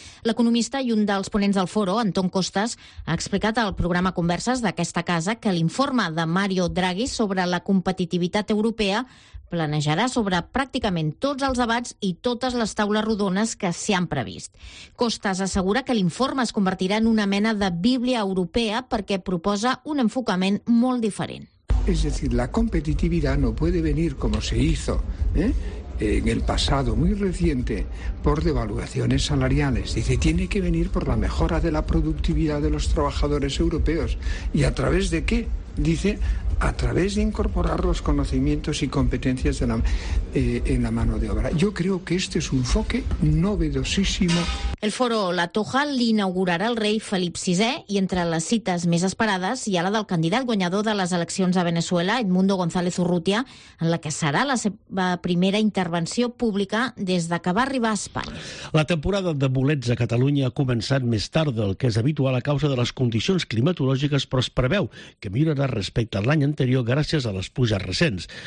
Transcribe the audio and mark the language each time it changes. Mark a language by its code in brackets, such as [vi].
[ca] L'economista i un dels ponents del Foro, Anton Costas, ha explicat al programa Converses d'aquesta casa que l'informe de Mario Draghi sobre la competitivitat europea planejarà sobre pràcticament tots els debats i totes les taules rodones que s'hi han previst. Costas assegura que l'informe es convertirà en una mena de Bíblia europea perquè proposa un enfocament molt diferent. [es] Es decir, la competitividad no puede venir como se hizo en el pasado muy reciente por devaluaciones salariales. Dice, tiene que venir por la mejora de la productividad de los trabajadores europeos. ¿Y a través de qué? Dice, a través de incorporar los conocimientos y competencias de en la mano de obra. Yo creo que este es un enfoque novedosísimo. [ca] El Foro La Toja l'inaugurarà el rei Felip VI i entre les cites més esperades hi ha la del candidat guanyador de les eleccions a Venezuela, Edmundo González Urrutia, en la que serà la seva primera intervenció pública des de que va arribar a Espanya. La temporada de bolets a Catalunya ha començat més tard del que és habitual a causa de les condicions climatològiques, però es preveu que millorarà respecte a l'any anterior gràcies a les pluges recents.